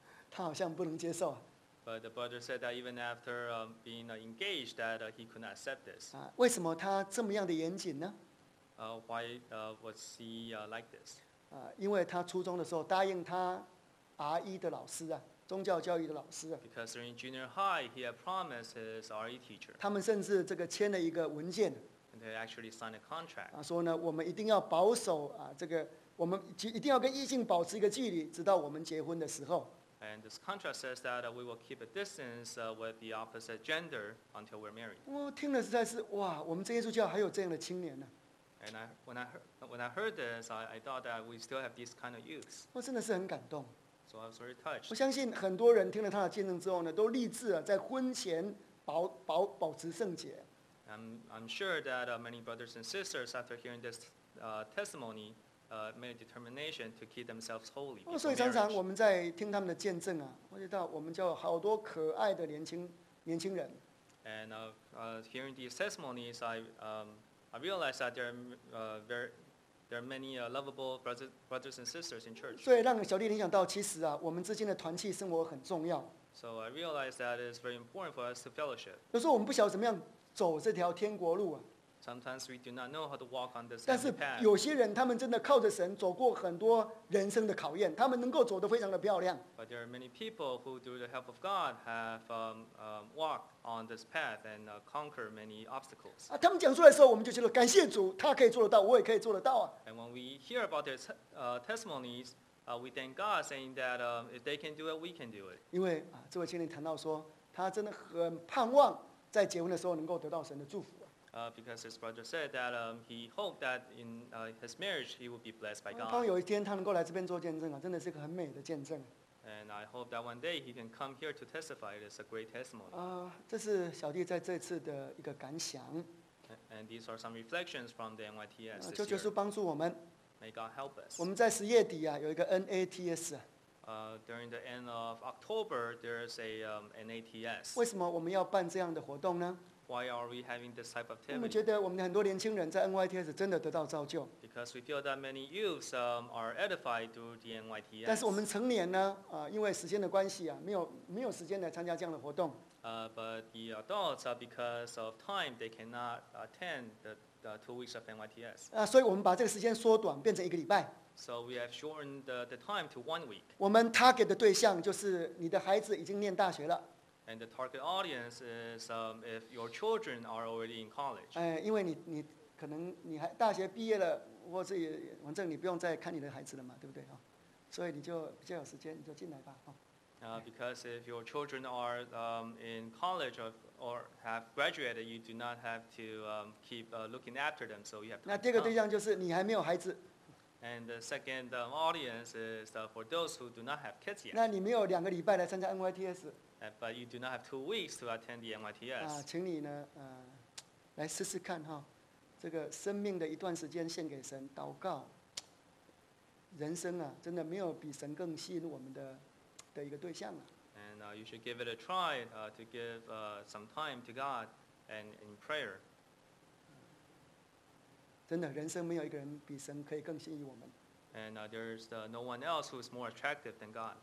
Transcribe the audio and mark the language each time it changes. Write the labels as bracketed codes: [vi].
[zh] 他好像不能接受。 [en] But the brother said that even after being engaged, that he could not accept this. [zh] 为什么他这么样的严谨呢 [en] ？Why was he like this？ [zh] 因为他初中的时候答应他 RE 的老师宗教教育的老师。 [en] Because during junior high, he had promised his RE teacher. [zh] 他们甚至这个签了一个文件。 [en] And they actually signed a contract. [zh] 说呢，我们一定要保守这个，我们一定要跟异性保持一个距离，直到我们结婚的时候。 [en] And this contract says that we will keep a distance with the opposite gender until we're married. [zh] 我听了实在是哇，我们这耶稣教还有这样的青年呢。 [en] And when I heard this, I thought that we still have these kind of youths. [zh] 我真的是很感动。 [en] So I was very touched. [zh] 我相信很多人听了他的见证之后都立志在婚前保持圣洁。 [en] I'm sure that many brothers and sisters after hearing this testimony. Made a determination to keep themselves holy. [zh] 所以常常我们在听他们的见证我知道我们就有好多可爱的年轻人。 [en] And hearing these testimonies, I realized that there are many lovable brothers and sisters in church. [zh] 所以让小弟联想到，其实我们之间的团契生活很重要。 [en] So I realized that it's very important for us to fellowship. [zh] 有时候我们不晓得怎么样走这条天国路 [en] Sometimes we do not know how to walk on this path. [zh] 但是有些人他们真的靠着神走过很多人生的考验，他们能够走得非常的漂亮。 [en] But there are many people who, through the help of God, have walked on this path and conquered many obstacles. [zh] 他们讲出来的时候，我们就觉得感谢主，他可以做得到，我也可以做得到 [en] And when we hear about their testimonies, We thank God saying that if they can do it, we can do it. [zh] 因为啊，这位青年谈到说，他真的很盼望在结婚的时候能够得到神的祝福。 [en] Because his brother said that he hoped that in his marriage he would be blessed by God. [zh] 盼望有一天他能够来这边做见证啊，真的是一个很美的见证。 [en] And I hope that one day he can come here to testify. It is a great testimony. [zh] 这是小弟在这次的一个感想。 [en] And these are some reflections from the NYTS this year. [zh] 求耶稣帮助我们。 [en] May God help us. [zh] 我们在十月底啊，有一个 NATS。 [en] During the end of October, there is a NATS. [zh] 为什么我们要办这样的活动呢？ [en] Why are we having this type of activity? [zh] 我们觉得我们很多年轻人在 NYTS 真的得到造就。 [en] Because we feel that many youths are edified through the NYTS. [zh] 但是我们成年呢，因为时间的关系啊，没有时间来参加这样的活动。 [en] But the adults, because of time, they cannot attend the 2 weeks of NYTS. [zh] 所以我们把这个时间缩短，变成一个礼拜。 [en] So we have shortened the time to 1 week. [zh] 我们 target 的对象就是你的孩子已经念大学了。 [en] And the target audience is if your children are already in college. [zh] 因为你可能你还大学毕业了，或者反正你不用再看你的孩子了嘛，对不对啊？所以你就比较有时间，你就进来吧，哈。 [en] Because if your children are in college or have graduated, you do not have to keep looking after them, so you have to. [zh] 那第二个对象就是你还没有孩子。 [en] And the second audience is for those who do not have kids yet. [zh] 那你没有两个礼拜来参加 NYTS。 [en] But you do not have 2 weeks to attend the NYTS. [zh] 请你呢，来试试看哈，这个生命的一段时间献给神，祷告。人生啊，真的没有比神更吸引我们的一个对象了。 [en] And you should give it a try to give some time to God and in prayer. [zh] 真的，人生没有一个人比神可以更吸引我们。 [en] And there's no one else who is more attractive than God.